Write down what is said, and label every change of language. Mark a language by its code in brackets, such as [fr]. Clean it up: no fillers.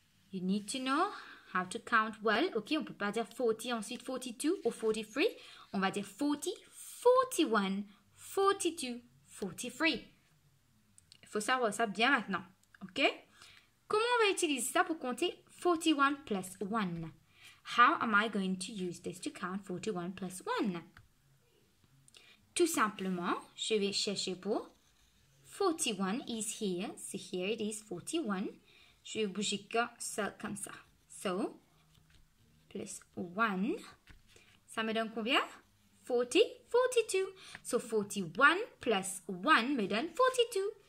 [en] You need to know how to count well. [fr] Okay, on ne peut pas dire 40, ensuite 42 ou 43. On va dire 40, 41, 42, 43. Il faut savoir ça bien maintenant. Okay? Comment on va utiliser ça pour compter 41 plus 1? [en] How am I going to use this to count 41 plus 1? [fr] Tout simplement, je vais chercher pour 41 [en] is here. So here it is 41. [fr] Je vais bouger qu'un seul comme ça. So, plus 1. Ça me donne combien? 40, 42. So, 41 plus 1 me donne 42.